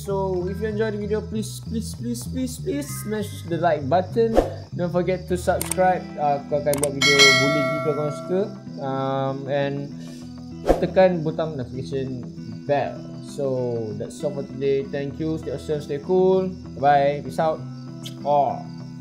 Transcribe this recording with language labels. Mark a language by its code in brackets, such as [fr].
[en] So if you enjoyed the video, please smash the like button. Don't forget to subscribe. [ms] Aku akan buat video bully jika kau suka. And tekan butang notification bell. [en] So that's all for today. Thank you. Stay awesome. Stay cool. Bye. Peace out. Oh.